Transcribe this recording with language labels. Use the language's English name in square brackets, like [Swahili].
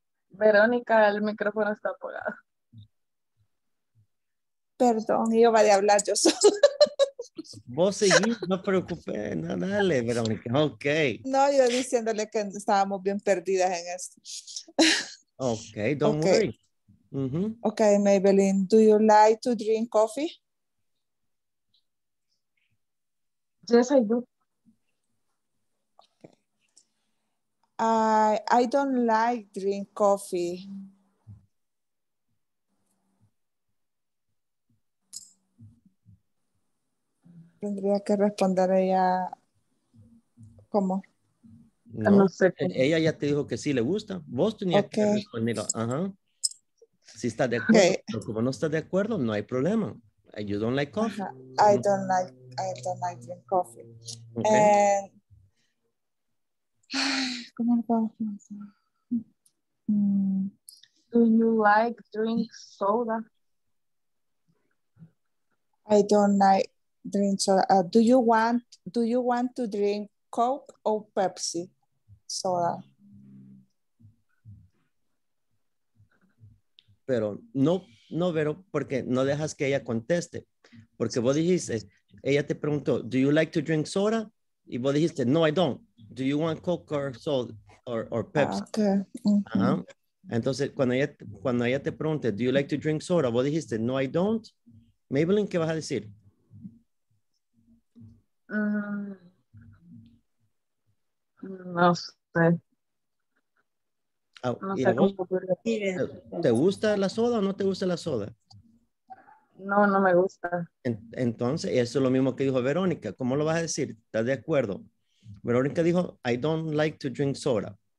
[Spanish] Verónica, el micrófono está apagado. Perdón, iba de hablar yo solo. Vos seguís, no te preocupes, no, dale, Verónica, ok. No, yo diciéndole que estábamos bien perdidas en esto. [English] Ok, don't worry. Mm-hmm. Okay, Maybelline, do you like to drink coffee? Yes, I do. I don't like drink coffee. [Spanish] Tendría que responder ella, ¿cómo? No sé. Ella ya te dijo que sí le gusta. Vos tenías que responder. Ajá. Si estás de acuerdo, okay. Como no estás de acuerdo, no hay problema. [English] You don't like coffee. Uh-huh. I don't like drink coffee. Okay. Do you like drink soda? I don't like drink soda. Do you want to drink Coke or Pepsi soda? [Spanish] Pero no, No, pero porque no dejas que ella conteste. Porque vos dijiste, ella te preguntó, [English] do you like to drink soda? [Spanish] Y vos dijiste, no, [English] I don't. Do you want Coke or soda or Pepsi? Ah, okay. Uh-huh. [Spanish] Uh-huh. Entonces, cuando ella te pregunte, [English] do you like to drink soda? [Spanish] Vos dijiste, no, [English] I don't. [Spanish] Maybelline, ¿qué vas a decir? No sé. Oh, no sé cómo. ¿Te gusta la soda o no te gusta la soda? No, no me gusta. Entonces, eso es lo mismo que dijo Verónica. ¿Cómo lo vas a decir? ¿Estás de acuerdo? [English] Verónica [Spanish] dijo, [English] I don't like to drink soda.